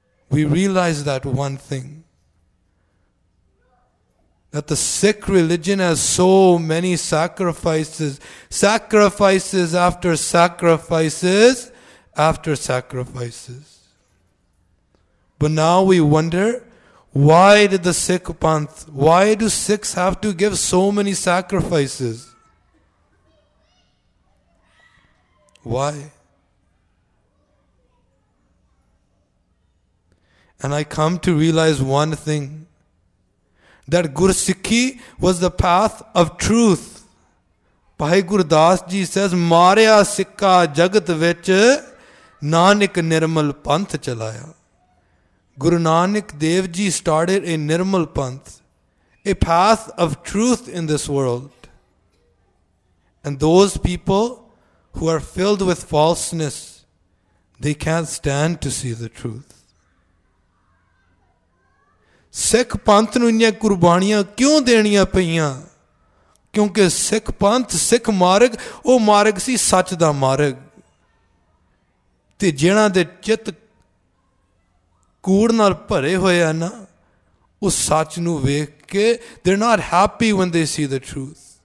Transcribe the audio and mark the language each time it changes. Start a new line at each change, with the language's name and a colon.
English: We realize that one thing that the Sikh religion has so many sacrifices, sacrifices after sacrifices after sacrifices. But now we wonder, why did the Sikh Panth, why do Sikhs have to give so many sacrifices? Why? And I come to realize one thing, that Gursikhi was the path of truth. Bhai Gurdas Ji says,
Punjabi: Marya Sikha Jagat Vich Nanak Nirmal Panth Chalaya.
English: Guru Nanak Dev Ji started a Nirmal Panth, a path of truth in this world. And those people who are filled with falseness, they can't stand to see the truth.
Punjabi: ਸਿੱਖ ਪੰਥ ਨੂੰ ਇੰਨੀਆਂ ਕੁਰਬਾਨੀਆਂ ਕਿਉਂ ਦੇਣੀਆਂ ਪਈਆਂ ਕਿਉਂਕਿ ਸਿੱਖ ਪੰਥ ਸਿੱਖ ਮਾਰਗ ਉਹ ਮਾਰਗ ਸੀ ਸੱਚ ਦਾ ਮਾਰਗ ਤੇ ਜਿਹਨਾਂ ਦੇ ਚਿੱਤ ਕੂੜ ਨਾਲ ਭਰੇ ਹੋਏ ਆ ਨਾ ਉਹ ਸੱਚ ਨੂੰ ਵੇਖ ਕੇ
English: they not happy when they see the truth